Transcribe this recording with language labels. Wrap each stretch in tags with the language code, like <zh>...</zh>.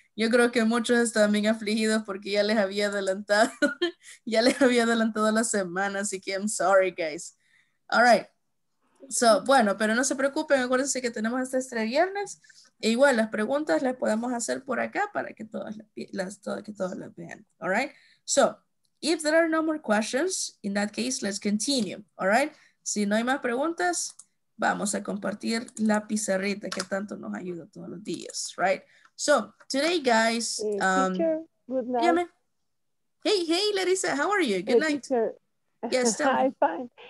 <es>Yo creo que muchos están bien afligidos porque ya les había adelantado. Ya les había adelantado la semana. Así que</es> <en>I'm sorry, guys. All right.</en> <es>So, bueno, pero no se preocupen, acuérdense que tenemos hasta este viernes. E igual las preguntas las podemos hacer por acá para que todas las vean.</es> <en>All right? So, if there are no more questions, in that case, let's continue. All right?</en> <es>Si no hay más preguntas, vamos a compartir la pizarrita que tanto nos ayuda todos los días.</es> <en>Right? So, today, guys. Teacher, good night. Hey, Larissa, how are you? Good night. Teacher. Yes, I'm fine.</en>